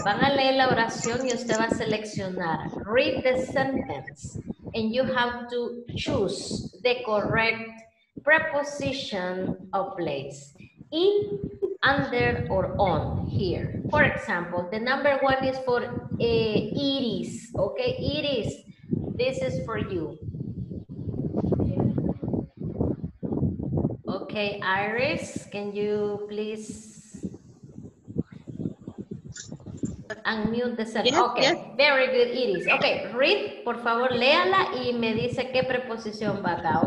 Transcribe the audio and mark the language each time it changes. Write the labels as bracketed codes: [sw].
[es] Van a leer la oración y usted va a seleccionar. [en] Read the sentence. And you have to choose the correct preposition or place. In, under, or on here. For example, the number one is for Iris. Okay, Iris, this is for you. Okay, Iris, can you please unmute the cell? Yes, okay, yes. Very good, Iris. [es] Okay, read, por favor, léala y me dice qué preposición va acá.